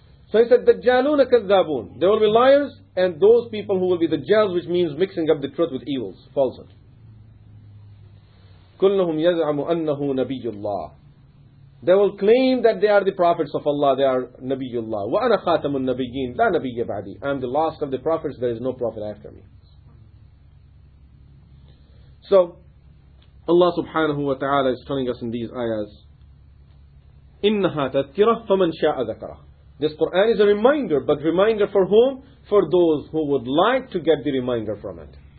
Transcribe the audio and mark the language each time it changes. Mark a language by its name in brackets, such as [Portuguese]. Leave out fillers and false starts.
[English] So he said, [Arabic] dajjaloon akadzaboon. [English] There will be liars and those people who will be dajjals, which means mixing up the truth with evils, falsehood. [Arabic] كلهم يزعم أنه نبي الله. [English] They will claim that they are the prophets of Allah. They are Nabiyullah. [Arabic] وأنا خاتم النبيين لا نبي بعدي. [English] I am the last of the prophets. There is no prophet after me. So, Allah subhanahu wa ta'ala is telling us in these ayahs, [Arabic] إنها تذكرة فمن شاء ذكره. [English] This Quran is a reminder, but reminder for whom? For those who would like to get the reminder from it.